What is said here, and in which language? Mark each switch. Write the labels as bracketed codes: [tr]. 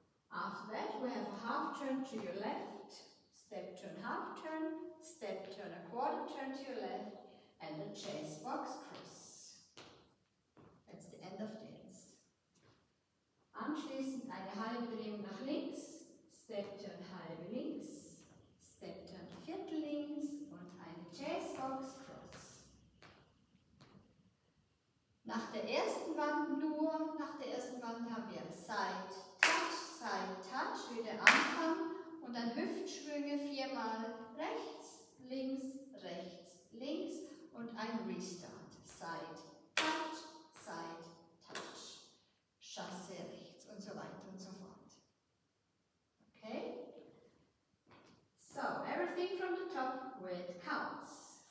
[en] After that, we have a half turn to your left. Step turn, half turn, step turn, a quarter turn to your left, and a chest box cross. That's the end of dance. [de] Anschließend eine halbe Drehung nach links, step turn, halbe links, step turn, viertel links, und eine chest box cross. Nach der ersten Wand haben wir side touch, wieder anfangen. Und dann Hüftschwünge viermal rechts, links, rechts, links und ein Restart. [en] Side touch, side touch. [de] Chasse rechts und so weiter und so fort. Okay? [en] So, everything from the top where it counts.